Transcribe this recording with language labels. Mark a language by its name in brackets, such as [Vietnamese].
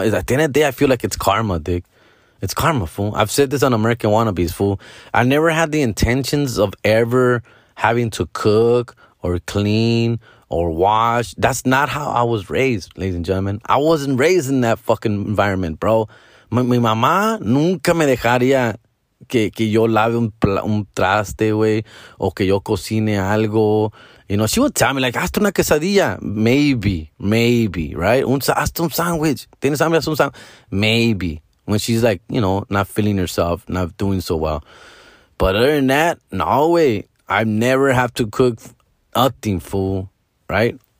[English] At the end of the day, I feel like it's karma, dick. It's karma, fool. I've said this on American Wannabes, fool. I never had the intentions of ever having to cook or clean or wash. That's not how I was raised, ladies and gentlemen. I wasn't raised in that fucking environment, bro. [Spanish] Mi mamá nunca me dejaría que yo lave un traste, güey, o que yo cocine algo. [English] You know, she would tell me, like, [Spanish] hazte una quesadilla. [English] Maybe, right? [Spanish] Hazte un sandwich. ¿Tienes hambre? Hazte un sandwich. [English] Maybe. When she's, like, you know, not feeling herself, not doing so well. But other than that, no way. I never have to cook nothing, fool, right?